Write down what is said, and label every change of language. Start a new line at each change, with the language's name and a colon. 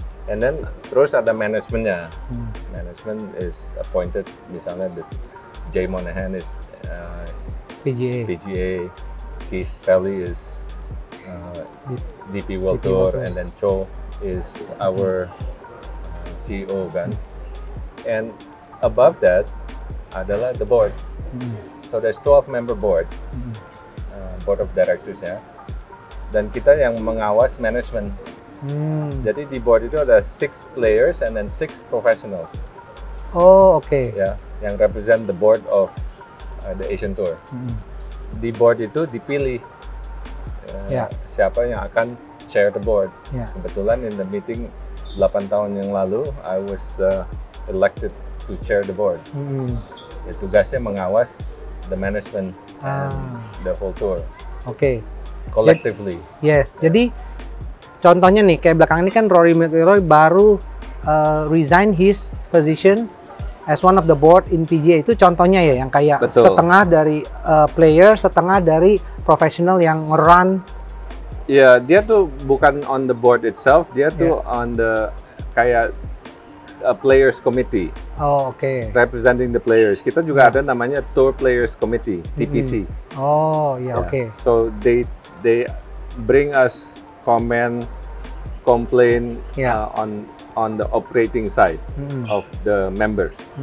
English: And then
Indonesian: terus ada manajemennya.
English: Management is appointed,
Indonesian: misalnya
English: the Jay Monahan is PGA. Keith Pelley is DP World DP Tour, and then Cho is our CEO kan. And above that adalah the board. So there's 12 member board, board of directors ya.
Indonesian: Dan kita yang mengawas management. Jadi di board itu ada
English: 6 players and then 6 professionals. Oh, okay.
Indonesian: Ya, yang
English: represent the board of the Asian Tour.
Indonesian: Di board itu dipilih siapa yang akan
English: chair the board. Yeah.
Indonesian: Kebetulan
English: in the meeting
Indonesian: 8 tahun yang lalu,
English: I was elected to chair the board.
Indonesian: Ya, tugasnya mengawas
English: the management and the whole tour. Okay. Collectively. Yes. Yeah.
Indonesian: Jadi contohnya nih, kayak belakang ini kan
English: Rory McIlroy baru resign his position as one of the board in PGA.
Indonesian: Itu contohnya ya, yang kayak betul, setengah dari player, setengah dari profesional yang run.
English: Ya, yeah,
Indonesian: dia tuh bukan
English: on the board itself,
Indonesian: dia tuh
English: on the kayak a players committee.
Indonesian: Oh, oke.
English: Okay. Representing the players.
Indonesian: Kita juga ada namanya
English: Tour Players Committee, TPC. Okay. So they bring us comment, complain on the operating side of the members.